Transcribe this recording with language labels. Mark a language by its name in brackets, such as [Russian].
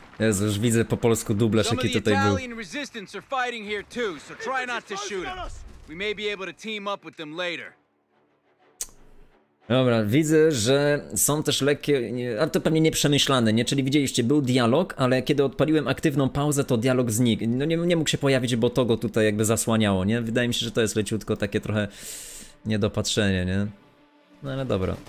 [Polish] Jezu, już widzę po polsku dublerz, jaki tutaj był. [English] Italian resistance are fighting here too, so try not to shoot them. We may be able to team up with them later. [Polish] Dobra, widzę, że są też lekkie, ale to pewnie nieprzemyślane, nie? Czyli widzieliście, był dialog, ale kiedy odpaliłem aktywną pauzę, to dialog znikł. No nie mógł się pojawić, bo to go tutaj jakby zasłaniało, nie? Wydaje mi się, że to jest leciutko takie trochę niedopatrzenie, nie? No ale dobra.